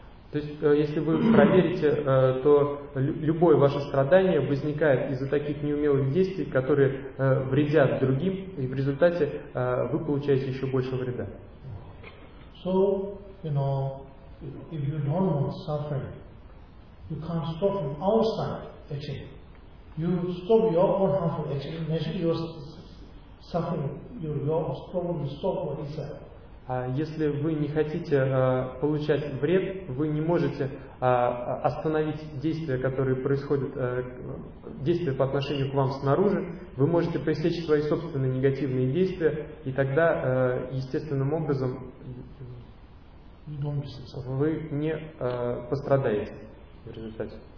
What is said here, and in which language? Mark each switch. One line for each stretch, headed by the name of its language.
Russian: То есть, если вы проверите, то любое ваше страдание возникает из-за таких неумелых действий, которые вредят другим, и в результате вы получаете еще больше вреда.
English: So, you know, if you don't want suffering, you can't stop from outside action. You stop your own harmful action, measure your suffering, your problem is stopped for itself.
Russian: Если вы не хотите получать вред, вы не можете остановить действия, которые происходят, действия по отношению к вам снаружи, вы можете пресечь свои собственные негативные действия, и тогда естественным образом вы не пострадаете в результате.